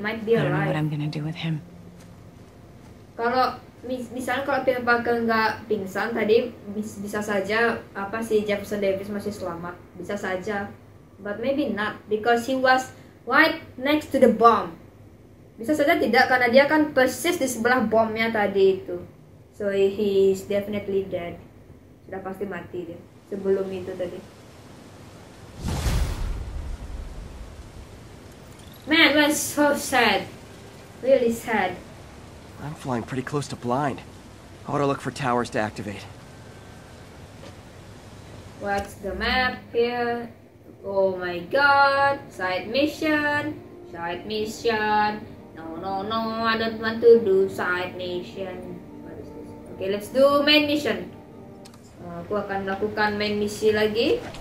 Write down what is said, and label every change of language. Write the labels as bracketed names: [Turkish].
[English] I don't know what I'm gonna do with him. [Indonesian] Kalau misalnya kalau Peter Parker nggak pingsan tadi, bisa saja apa sih Jefferson Davis masih selamat, bisa saja. [English] But maybe not because he was right next to the bomb. [Indonesian] Bisa saja tidak karena dia kan persis di sebelah bomnya tadi itu. [English] So he is definitely dead. [Indonesian] Sudah pasti mati dia sebelum itu tadi. [English] Man, that's so sad. Really sad. I'm flying pretty close to blind. I ought to look for towers to activate. What's the map here? Oh my god. Side mission. No, I don't want to do side mission. What is this? Okay, let's do main mission. [Indonesian] Aku akan melakukan main misi lagi.